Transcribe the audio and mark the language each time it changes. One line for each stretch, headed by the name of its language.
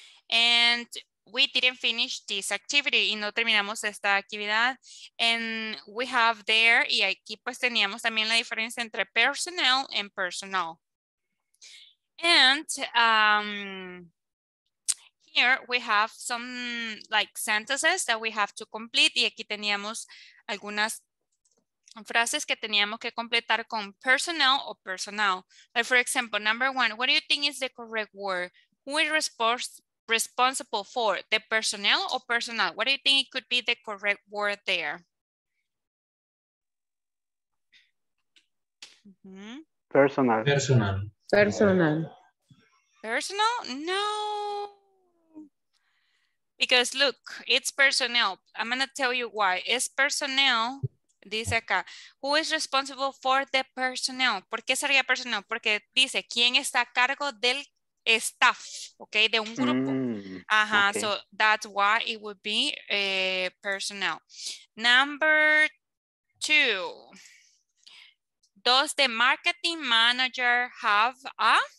English: And we didn't finish this activity
Spanish: y no terminamos esta actividad.
English: And we have there,
Spanish: y aquí pues teníamos también la diferencia entre personnel and personal.
English: And here we have some like sentences that we have to complete.
Spanish: Y aquí teníamos algunas frases que teníamos que completar con personnel o personal.
English: Like for example, number one, what do you think is the correct word? Who is responsible for, the personnel or personal? What do you think it could be the correct word there? Mm-hmm. Personal. Personal. Personal. Personal? No. Because look, it's personnel. I'm going to tell you why. It's personnel.
Spanish: Dice acá,
English: who is responsible for the personnel?
Spanish: ¿Por qué sería personnel? Porque dice, ¿quién está a cargo del staff, okay, de un grupo.
English: Ajá, okay. So that's why it would be personnel. Number two, does the marketing manager have a